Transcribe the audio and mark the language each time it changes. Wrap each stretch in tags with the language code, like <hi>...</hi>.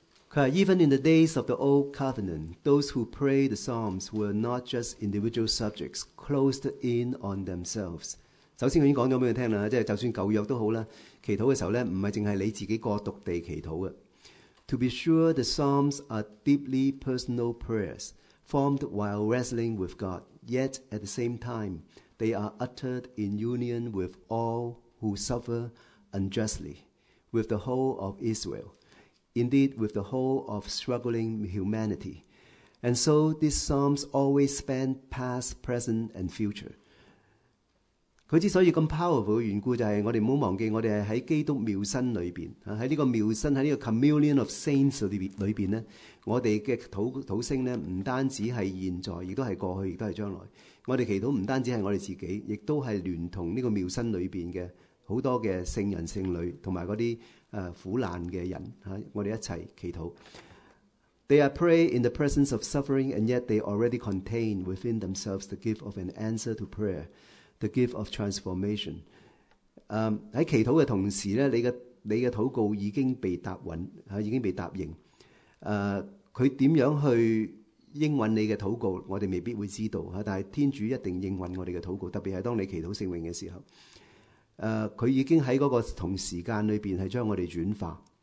<zh>他说</zh> <en>Even in the days of the Old Covenant, those who prayed the Psalms were not just individual subjects closed in on themselves.</en> <zh>首先他已经讲了给你听了，就算旧约也好，祈祷的时候不只是你自己过独地祈祷的。</zh> <en>To be sure, the Psalms are deeply personal prayers formed while wrestling with God, yet at the same time,They are uttered in union with all who suffer unjustly, with the whole of Israel, indeed with the whole of struggling humanity. And so these psalms always span past, present, and future.</en> <zh>他之所以这么 powerful 的缘故，就是我们不要忘记我们是在基督庙身里面，在这个庙身，在这个</zh> <en>communion of saints</en> <zh>里面，我们的祷声不单止是现在，也是过去，也是将来。我们祈祷不单止是我们自己，也都是联同这个庙身里面的很多的圣人圣女和那些苦难的人，我们一起祈祷。</zh> <en>They are pray in the presence of suffering, and yet they already contain within themselves the gift of an answer to prayer, the gift of transformation.</en> <zh>在祈祷的同时呢，你的祷告已经被答允，已经被答应。他怎样去应允你的祷告，我们未必会知道，但是天主一定应允我们的祷告，特别是当你祈祷圣咏的时候，他已经在那个同时间里面是将我们转化，</zh>